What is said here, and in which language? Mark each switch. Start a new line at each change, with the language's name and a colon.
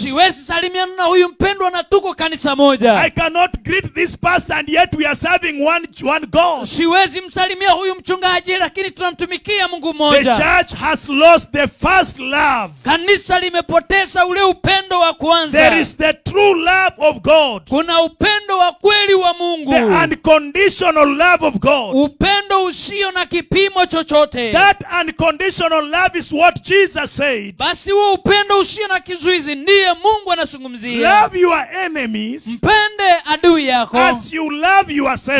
Swahili: Siwezi salimiana na huyu mpendwa na tuko kanisa moja.
English: I cannot greet this pastor and yet we are serving one God.
Swahili: Siwezi msalimia huyu mchungaji lakini tunamtumikia Mungu mmoja.
English: The church has lost the first love.
Swahili: Kanisa limepoteza ule upendo wa kwanza.
English: There is the true love of God.
Swahili: Kuna upendo wa kweli wa Mungu.
English: The unconditional love of God.
Swahili: Upendo usio na kipimo chochote.
English: That unconditional love is what Jesus said.
Swahili: Basi huo upendo usio na kizuizi ndiye Mungu anazungumzia.
English: Love your enemies.
Swahili: Mpende adui yako.
English: As you love yourself.